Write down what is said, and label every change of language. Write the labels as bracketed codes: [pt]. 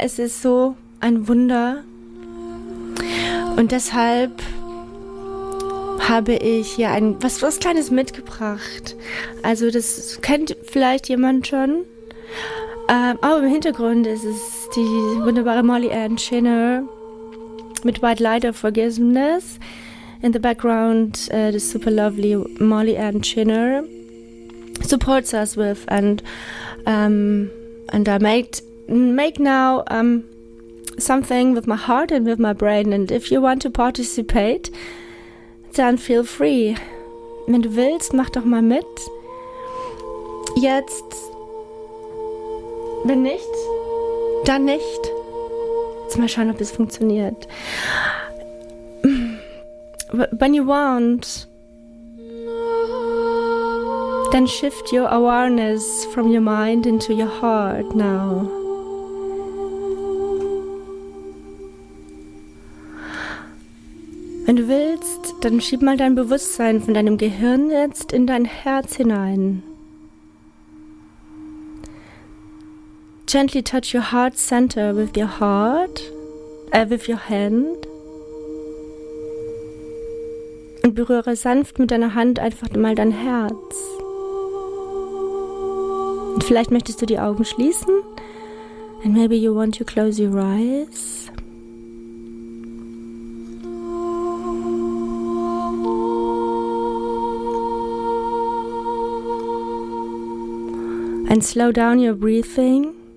[de] Es ist so ein Wunder. Und deshalb habe ich hier was Kleines mitgebracht. Also das kennt vielleicht jemand schon. Im Hintergrund ist es die wunderbare Molly Ann Chinner mit White Light of Forgiveness. [en] In the background, the super lovely Molly Ann Chinner supports us with, and I make now something with my heart and with my brain. And if you want to participate, then feel free. [de] Wenn du willst, mach doch mal mit. Jetzt. Wenn nicht, dann nicht. Jetzt mal schauen, ob es funktioniert. [en] When you want, then shift your awareness from your mind into your heart now. [de] Wenn du willst, dann schieb mal dein Bewusstsein von deinem Gehirn jetzt in dein Herz hinein. [en] Gently touch your heart center with your heart, with your hand. [de] Und berühre sanft mit deiner Hand einfach mal dein Herz. Vielleicht möchtest du die Augen schließen. [en] And maybe you want to close your eyes. And slow down your breathing.